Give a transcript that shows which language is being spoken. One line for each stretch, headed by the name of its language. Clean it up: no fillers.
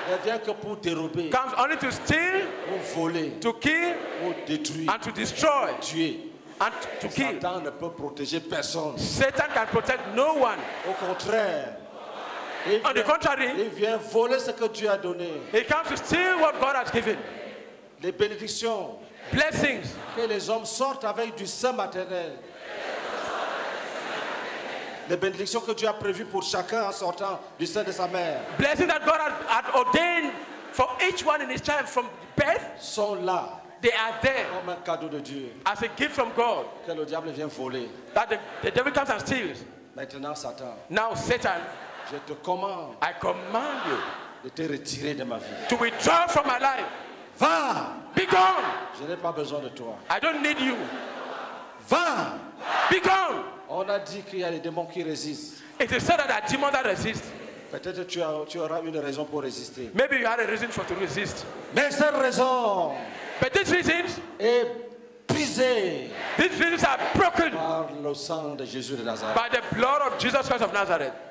French: Ne vient que pour dérober.
English: Comes only to steal.
French: Pour voler.
English: To kill.
French: Pour détruire.
English: And to destroy.
French: Pour tuer.
English: And to kill.
French: Satan ne peut protéger personne.
English: Satan can protect no one.
French: Au contraire.
English: On the contrary,
French: il vient voler ce que Dieu a donné.
English: He comes to steal what God has given.
French: Les bénédictions.
English: Blessings.
French: Que les hommes sortent avec du sein maternel. Les bénédictions que Dieu a prévues pour chacun en sortant du sein de sa mère.
English: Blessings that God had ordained for each one in his child from birth.
French: Sont là.
English: They are there.
French: Comme un cadeau de Dieu.
English: As a gift from God.
French: Que le diable vient voler.
English: That the devil comes and steals.
French: Maintenant Satan.
English: Now Satan.
French: Je te commande.
English: I command you.
French: De te retirer de ma vie.
English: To withdraw from my life.
French: Va.
English: Be gone.
French: Je n'ai pas besoin de toi.
English: I don't need you.
French: Va.
English: Be gone.
French: On a dit qu'il y a des démons qui résistent.
English: It is said that there are demons that resist.
French: Peut-être tu auras une raison pour résister.
English: Maybe you had a reason for to resist.
French: Mais cette raison.
English: But these reasons.
French: Est brisée.
English: These reasons are broken.
French: Par le sang de Jésus de Nazareth.
English: By the blood of Jesus Christ of Nazareth.